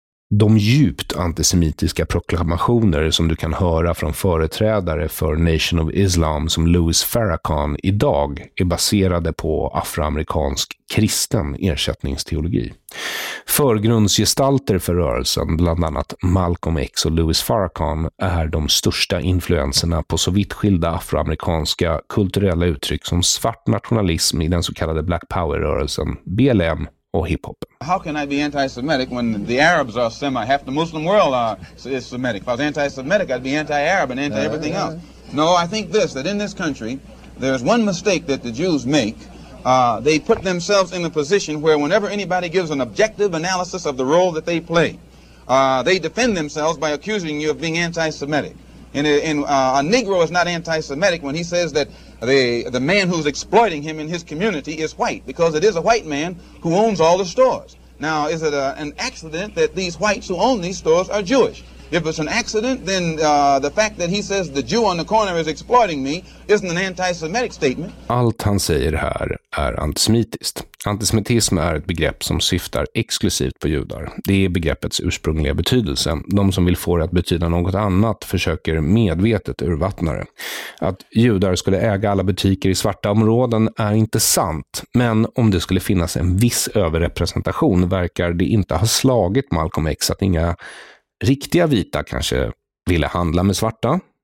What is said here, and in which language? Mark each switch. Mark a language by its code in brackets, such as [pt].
[sv] De djupt antisemitiska proklamationer som du kan höra från företrädare för Nation of Islam som Louis Farrakhan idag är baserade på afroamerikansk kristen ersättningsteologi. Förgrundsgestalter för rörelsen, bland annat Malcolm X och Louis Farrakhan, är de största influenserna på så vitt skilda afroamerikanska kulturella uttryck som svart nationalism i den så kallade Black Power-rörelsen, BLM, och hip-hop. [en] How can I be anti-Semitic when the Arabs are Semitic? Half the Muslim world is Semitic. If I was anti-Semitic, I'd be anti-Arab and anti-everything else. No, I think this, that in this country, there's one mistake that the Jews make. They put themselves in a position where whenever anybody gives an objective analysis of the role that they play, they defend themselves by accusing you of being anti-Semitic. A Negro is not anti-Semitic when he says that the man who's exploiting him in his community is white, because it is a white man who owns all the stores. Now, is it an accident that these whites who own these stores are Jewish? If it's an accident, then the fact that he says the Jew on the corner is exploiting me isn't an anti-Semitic statement. [sv] Allt han säger här är antisemitiskt. Antisemitism är ett begrepp som syftar exklusivt på judar. Det är begreppets ursprungliga betydelse. De som vill få det att betyda något annat försöker medvetet urvattna det. Att judar skulle äga alla butiker i svarta områden är inte sant, men om det skulle finnas en viss överrepresentation verkar det inte ha slagit Malcolm X att inga riktiga vita kanske ville handla med svarta.